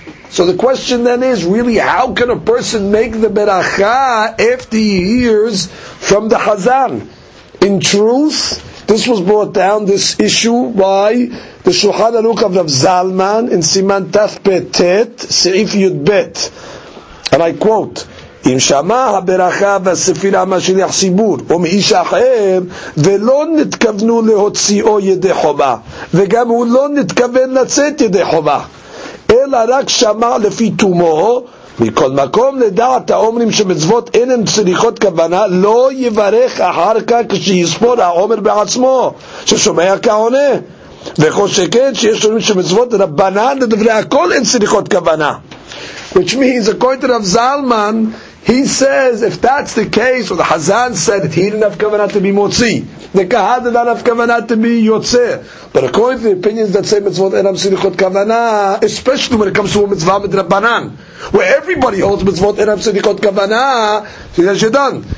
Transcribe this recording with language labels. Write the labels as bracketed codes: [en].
[en] So the question then is, really, how can a person make the Beracha after he hears from the Hazan? In truth, this was brought down, this issue, by the Shulchan Aruch of Rav Zalman in Siman Taf Petet, Seif Yud Bet. And I quote, [he] אם שמע הברכה והספירה משליח סיבור או מאיש אחר ולא נתכוונו להוציאו ידי חובה וגם הוא לא נתכוון לצאת ידי חובה אלא רק שמע לפי תומו מכל מקום לדעת האומרים שמצוות אינם צריכות כוונה לא יברך אחר כך כשיספור האומר בעצמו ששומע כעונה וכל שכן שיש אומרים שמצוות רבנה לדברי הכל אין צריכות כוונה. [en] Which means, according to Rav Zalman, he says, if that's the case, or the Hazan said it, he didn't have kavanah to be motzi. The kahal did not have kavanah to be yotze. But according to the opinions that say mitzvot enam sirichot kavanah, especially when it comes to a mitzvah mit rabbanan, where everybody holds mitzvot enam sirichot kavanah, he says, you're done.